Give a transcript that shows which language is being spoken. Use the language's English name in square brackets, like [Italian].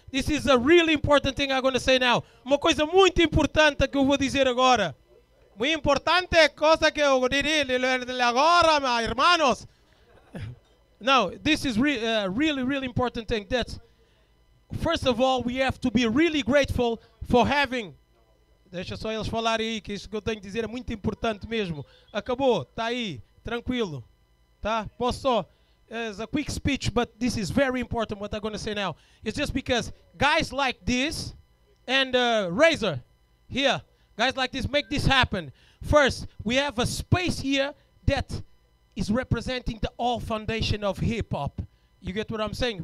[English] This is a really important thing I'm going to say now. [Portuguese] Uma coisa muito importante que eu vou dizer agora. Muito importante coisa que eu diria agora, meus irmãos. [English] No, this is really important thing. That, first of all, we have to be really grateful for having. [Portuguese] Deixa só eles falarem aí, que isso que eu tenho que dizer é muito importante mesmo. Acabou, está aí, tranquilo. Tá? Posso só. [English] It's a quick speech, but this is very important what I'm going to say now. It's just because guys like this and Razor here, guys like this make this happen. First, we have a space here that is representing the all foundation of hip-hop. You get what I'm saying?